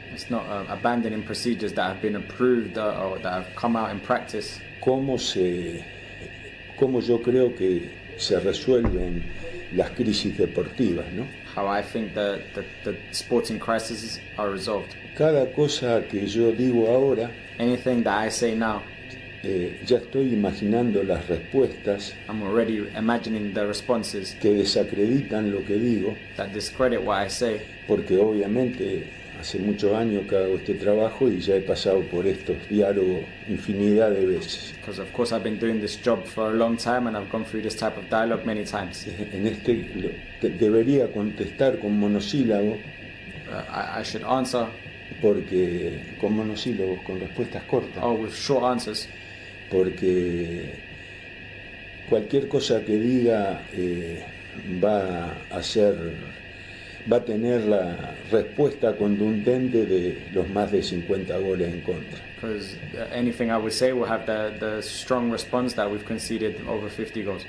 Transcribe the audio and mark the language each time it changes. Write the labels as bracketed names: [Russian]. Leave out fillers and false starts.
[English] It's not abandoning procedures that have been approved or that have come out in practice. [Spanish] como yo creo que se resuelven las crisis deportivas, ¿no? [English] How I think the sporting crises are resolved. [Spanish] Cada cosa que yo digo ahora, [English] Anything that I say now, [Spanish] ya estoy imaginando las respuestas [English] I'm already imagining the responses [Spanish] que desacreditan lo que digo, [English] that discredit what I say. [Spanish] porque obviamente hace muchos años que hago este trabajo y ya he pasado por estos diálogos infinidad de veces. [English] Because of course I've been doing this job for a long time and I've gone through this type of dialogue many times. [Spanish] En este debería contestar con monosílabo, [English] I should answer [Spanish] porque con monosílabos, con respuestas cortas, [English] with short answers. [Spanish] porque cualquier cosa que diga va a tener la respuesta contundente de los más de 50 goles en contra. [English] Because anything I would say will have the strong response that we've conceded over 50 goals.